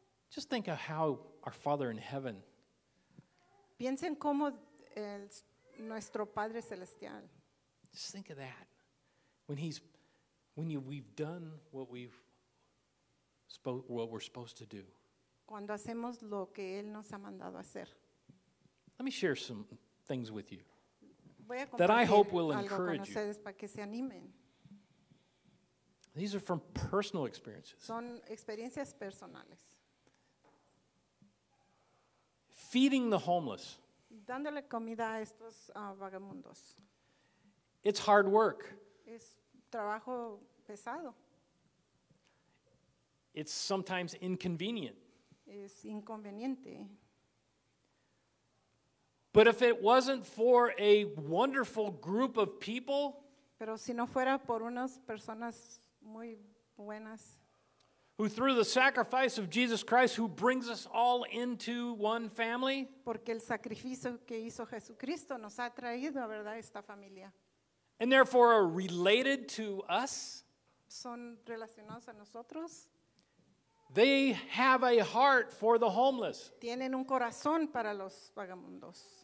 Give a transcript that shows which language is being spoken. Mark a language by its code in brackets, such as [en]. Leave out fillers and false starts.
[en] Just think of how our Father in Heaven. [es] Piensen cómo nuestro Padre Celestial. [en] Just think of that. When we've done what we've what we're supposed to do. [es] Cuando hacemos lo que Él nos ha mandado hacer. [en] Let me share some things with you. [es] Voy a compartir [en] that I hope will encourage you. [es] Para que se animen. [en] These are from personal experiences. [es] Son experiencias personales. [en] Feeding the homeless. [es] Dándole comida a estos vagamundos. [en] It's hard work. [es] Es trabajo pesado. [en] It's sometimes inconvenient. [es] Es inconveniente. [en] But if it wasn't for a wonderful group of people, [es] pero si no fuera por unas personas muy buenas, [en] who through the sacrifice of Jesus Christ, who brings us all into one family, [es] porque el sacrificio que hizo Jesucristo nos ha traído, ¿verdad?, esta familia. [en] And therefore are related to us, [es] son relacionados a nosotros. [en] They have a heart for the homeless. [es] Tienen un corazón para los vagamundos.